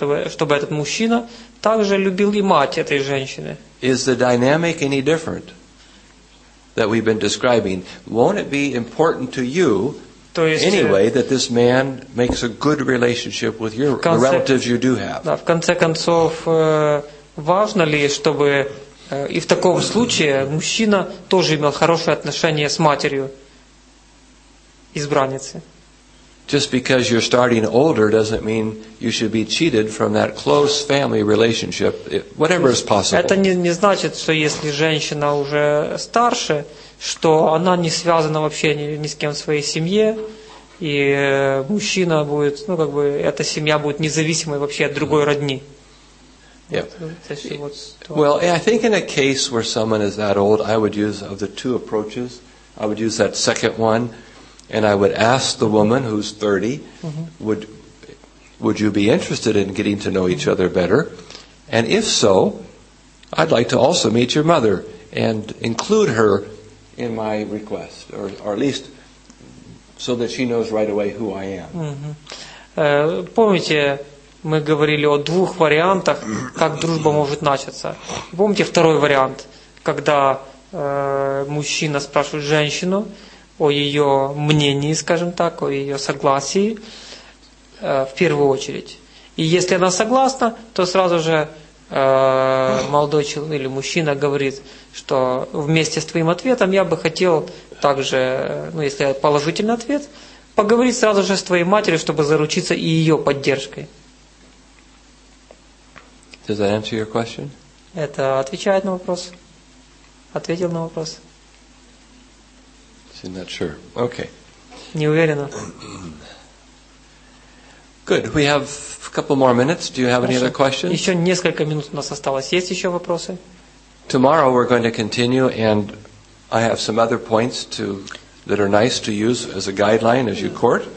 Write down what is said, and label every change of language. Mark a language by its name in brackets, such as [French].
[Russian] Чтобы этот мужчина также любил и мать этой женщины. [English] Is the dynamic any different that we've been describing? Won't it be important to you anyway that this man makes a good relationship with your relatives you do have? [Russian] Да, в конце концов, важно ли, чтобы и в таком случае мужчина тоже имел хорошее отношение с матерью? Избранницы. [English] Just because you're starting older doesn't mean you should be cheated from that close family relationship, whatever is possible. [Russian] Это не значит, что если женщина уже старше, что она не связана вообще ни с кем в своей семье, и мужчина будет, ну как бы, эта семья будет независимой вообще от другой родни. [English] Yeah. Well, I think in a case where someone is that old, I would use of the two approaches, I would use that second one. And I would ask the woman who's 30, mm-hmm. would you be interested in getting to know each other better? And if so, I'd like to also meet your mother and include her in my request, or at least so that she knows right away who I am. Mm-hmm. [Russian] Помните, мы говорили о двух вариантах, как дружба может начаться. Помните второй вариант, когда мужчина спрашивает женщину, о ее мнении, скажем так, о ее согласии, в первую очередь. И если она согласна, то сразу же молодой человек или мужчина говорит, что вместе с твоим ответом я бы хотел также, ну если положительный ответ, поговорить сразу же с твоей матерью, чтобы заручиться и ее поддержкой. [English] Does that answer your question? [Russian] Это отвечает на вопрос? Ответил на вопрос? [English] I'm not sure. Okay. [Russian] Не уверена. [English] Good. We have a couple more minutes. Do you have [Russian] Хорошо. [English] Any other questions? [Russian] Еще несколько минут у нас осталось. Есть еще вопросы? [English] Tomorrow we're going to continue, and I have some other points to that are nice to use as a guideline as you court.